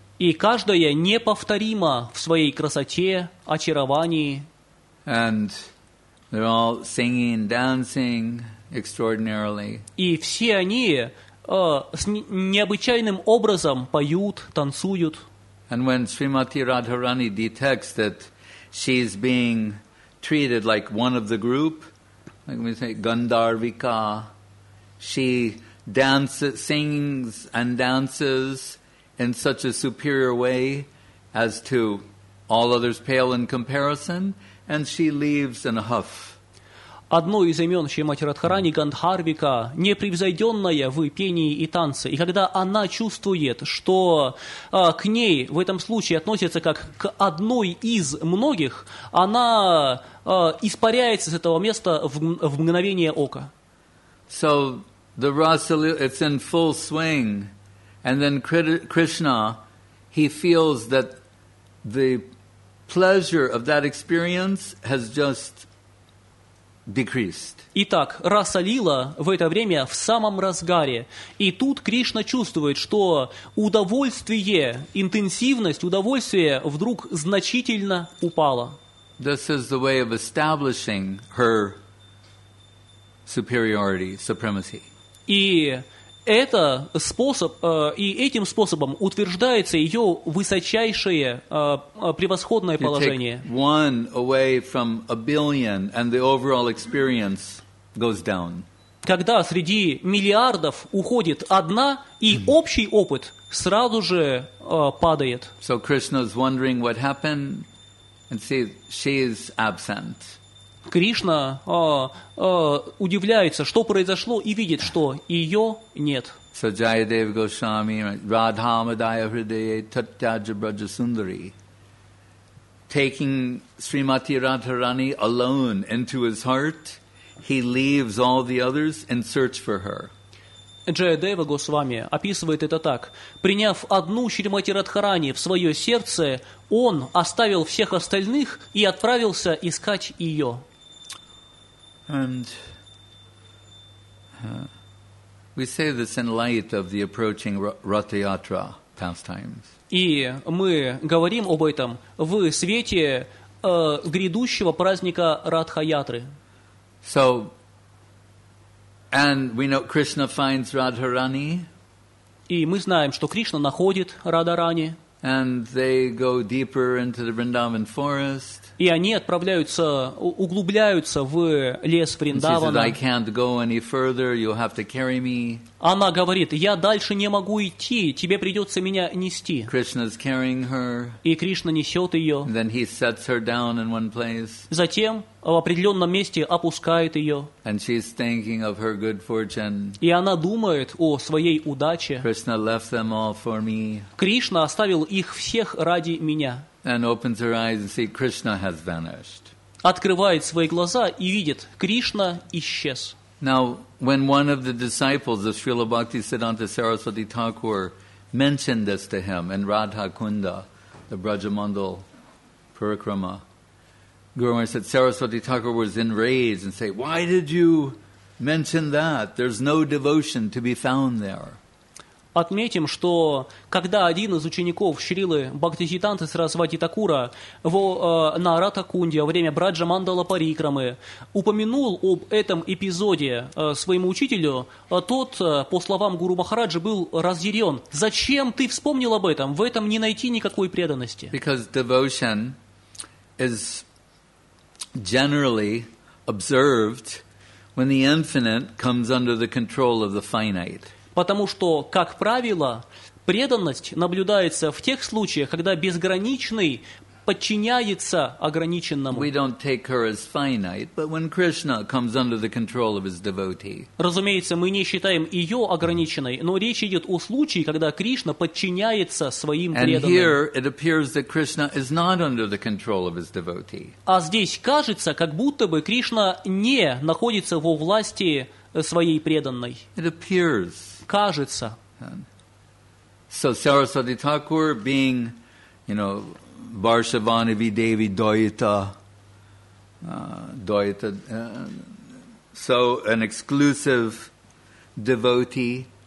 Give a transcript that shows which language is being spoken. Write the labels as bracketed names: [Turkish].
[Russian] И каждая неповторима в своей красоте, очаровании. [English] And they're all singing, dancing extraordinarily. [Russian] И все они с необычайным образом поют, танцуют. [English] And when Srimati Radharani detects that she's being treated like one of the group, like we say, Gandharvika, she dances, sings and dances in such a superior way as to all others pale in comparison, and she leaves in a huff. [Russian] Одно из имен Шримати Радхарани – Гандхарвика, непревзойденная в пении и танце. И когда она чувствует, что к ней в этом случае относится как к одной из многих, она испаряется с этого места в мгновение ока. [English] So, the rasa, it's in full swing. And then Krishna, he feels that the pleasure of that experience has just decreased. [Russian] Итак, раса лила в это время в самом разгаре. И тут Кришна чувствует, что удовольствие, интенсивность удовольствия вдруг значительно упала. [English] This is the way of establishing her superiority, supremacy. [Russian] И это способ, и этим способом утверждается ее высочайшее, превосходное положение. [English] You take one away from a billion, and the overall experience goes down. [Russian] Когда среди миллиардов уходит одна, и общий опыт сразу же падает. [English] So Krishna's wondering what happened, and see, she is absent. [Russian] Кришна удивляется, что произошло, и видит, что ее нет. [English] So Jayadev Goswami, [Sanskrit] Radha Madaya Hridaye Tatyaja Braja Sundari, [English] taking Srimati Radharani alone into his heart, he leaves all the others in search for her. [Russian] Джаядева Госвами описывает это так. Приняв одну Шримати Радхарани в свое сердце, он оставил всех остальных и отправился искать ее. [English] And we say this in light of the approaching Ratha Yatra pastimes. [Russian] И мы говорим об этом в свете грядущего праздника Ратха Ятры. [English] So, and we know Krishna finds Radharani. [Russian] И мы знаем, что Кришна находит Радхарани. [English] And they go deeper into the Vrindavan forest. [Russian] И они отправляются, углубляются в лес Вриндавана. Она говорит, я дальше не могу идти, тебе придется меня нести. [English] Krishna's carrying her. [Russian] И Кришна несет ее. [English] And then he sets her down in one place. [Russian] Затем в определенном месте опускает ее. [English] And she's thinking of her good fortune. [Russian] И она думает о своей удаче. [English] Krishna left them all for me. [Russian] Кришна оставил их всех ради меня. [English] And opens her eyes and sees Krishna has vanished. [Russian] Открывает свои глаза и видит, Кришна исчез. [English] Now, when one of the disciples of Srila Bhakti Siddhanta Saraswati Thakur mentioned this to him in Radha Kunda, the Brajamandal Parikrama, Guru Maharaj said Saraswati Thakur was enraged and said, "Why did you mention that? There's no devotion to be found there." [Russian] Отметим, что когда один из учеников Шрилы Бхактисиддханты Сарасвати Такура на Ратакунде во время Браджа Мандала Парикрамы упомянул об этом эпизоде своему учителю, тот, по словам Гуру Махараджи, был разъярен. Зачем ты вспомнил об этом? В этом не найти никакой преданности. [English] Because devotion is generally observed when the infinite comes under the control of the finite. [Russian] Потому что, как правило, преданность наблюдается в тех случаях, когда безграничный подчиняется ограниченному. [English] We don't take her as finite, but when Krishna comes under the control of his devotee. [Russian] Разумеется, мы не считаем ее ограниченной, но речь идет о случае, когда Кришна подчиняется своим преданным. [English] And here it appears that Krishna is not under the control of his devotee. [Russian] А здесь кажется, как будто бы Кришна не находится во власти своей преданной. [English] It appears. [Russian] Кажется. [English] So Saraswati Thakur, being, you know, Varshavanavi Devi Doita, so an exclusive devotee